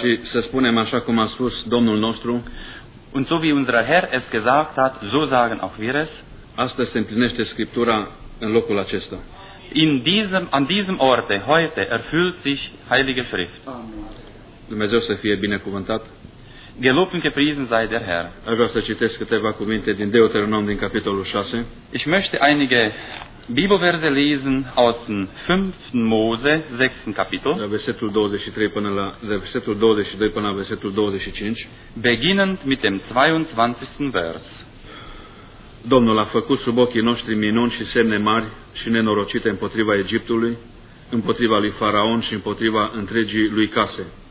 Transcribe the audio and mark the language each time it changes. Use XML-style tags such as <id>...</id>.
<ro>Și să spunem așa cum a spus Domnul nostru.</ro> <de>Und so wie unser Herr es gesagt hat, so sagen auch wir es.</de> <ro>Astăzi se împlinește Scriptura în locul acesta.</ro> <de>an diesem Orte heute erfüllt sich Heilige Schrift.</de> <ro>Amen. Dumnezeu să fie binecuvântat.</ro> <de>Gelobt und gepriesen sei der Herr.</de> <ro>Aș vrea să citesc câteva cuvinte din Deuteronom din capitolul 6.</ro> <de>Ich möchte einige Bibelverse lesen aus dem 5. Mose, 6. Kapitel.</de> <ro>La versetul 23 până la versetul 22 până la versetul 25.</ro> <de>Beginnend mit dem 22. Vers.</de> <ro>Domnul a făcut sub ochii noștri minuni și semne mari și nenorocite împotriva Egiptului, împotriva lui Faraon și împotriva întregii lui case.</ro>